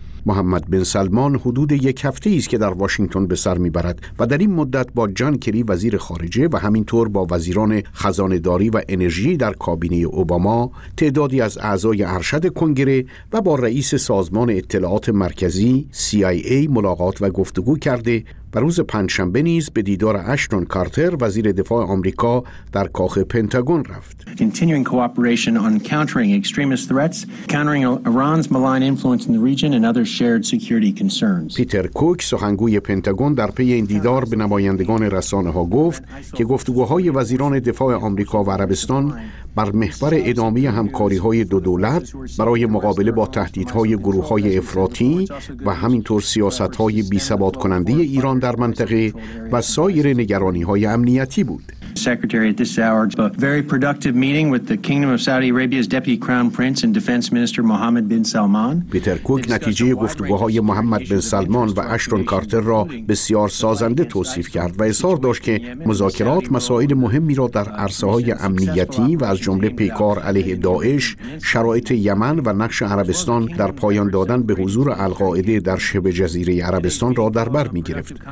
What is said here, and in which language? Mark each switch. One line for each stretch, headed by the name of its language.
Persian: محمد بن سلمان حدود یک هفته است که در واشنگتن به سر می‌برد و در این مدت با جان کری وزیر خارجه و همینطور با وزیران خزانه‌داری و انرژی در کابینه اوباما، تعدادی از اعضای ارشد کنگره و با رئیس سازمان اطلاعات مرکزی CIA ملاقات و گفتگو کرده و روز پنجشنبه نیز به دیدار اشتون کارتر وزیر دفاع آمریکا در کاخ پنتاگون رفت.
English: Continuing cooperation on countering extremist threats, countering Iran's malign influence in the region and other shared security concerns.
Persian: پیتر کوک سخنگوی پنتاگون در پی این دیدار به نمایندگان رسانه‌ها گفت که گفتگوهای وزیران دفاع آمریکا و عربستان بر محور ادامه همکاری‌های دو دولت برای مقابله با تهدیدهای گروه‌های افراطی و همینطور سیاست‌های بی‌ثبات کننده ایران در منطقه و سایر نگرانی‌های امنیتی بود.
English: Secretary at this hour, a very productive meeting with the Kingdom of Saudi Arabia's Deputy Crown Prince and Defense Minister Mohammed bin Salman.
Persian: پیتر کوک نتیجه گفتگوهای محمد بن سلمان و اشتون کارتر را بسیار سازنده توصیف کرد و اظهار داشت که مذاکرات مسائل مهمی را در عرصه‌های امنیتی و از جمله پیکار علیه داعش، شرایط یمن و نقش عربستان در پایان دادن به حضور القاعده در شبه جزیره عربستان را در بر می‌گرفت.